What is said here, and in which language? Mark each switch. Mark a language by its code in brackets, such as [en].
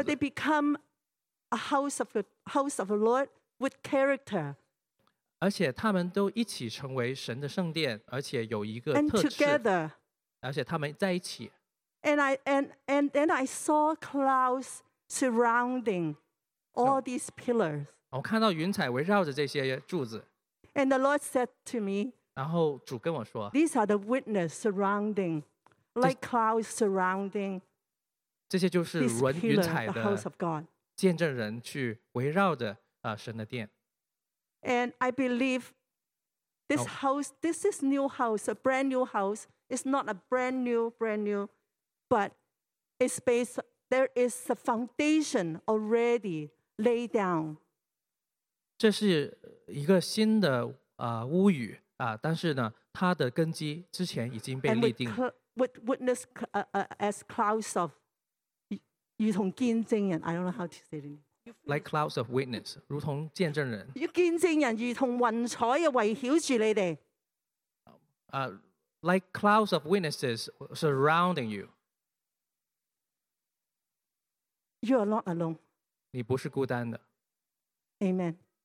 [en] But they become a house of the Lord with character. [zh] 而且他们都一起成为神的圣殿，而且有一个特质。 [en] And together. [zh] 而且他们在一起。 [en] And then I saw clouds surrounding all these pillars. [zh] 我看到云彩围绕着这些柱子。 [en] And the Lord said to me, [zh] 然后主跟我说, [en] these are the witness surrounding, like clouds surrounding these pillars, the house of God. [zh] 见证人去围绕着, 神的殿。 [en] And I believe this house, this is new house, a brand new house. It's not a brand new. But it's based, there is a foundation already laid down. [zh] 这是一个新的, 屋宇, 但是呢, 它的根基之前已经被立定。 [en] And with witness as clouds of [zh] 如同见证人, [en] I don't know how to say it. Like clouds of witness, [zh] 如同见证人。见证人, 如同云彩围绕着你们。 [en] Like clouds of witnesses surrounding you. You are not alone. [zh] 你不是孤单的。 [en] Amen.